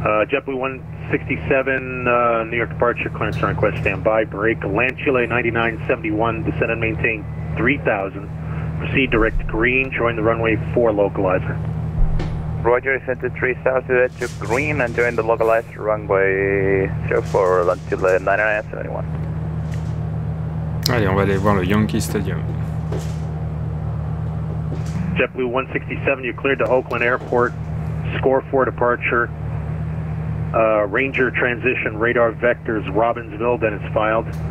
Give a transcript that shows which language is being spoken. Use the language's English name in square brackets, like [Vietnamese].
[English] JetBlue 167, New York departure, clearance on request, standby, break, Lanchile 9971, descend and maintain 3000, proceed direct green, join the runway 4 localizer. Roger, send to 3000 to green and join the localizer runway 04, Lanchile 9971. [French] Allez, on va aller voir le Yankee Stadium. [English] JetBlue 167, you cleared to Oakland Airport, score 4 departure. Ranger transition radar vectors Robbinsville, then it's filed.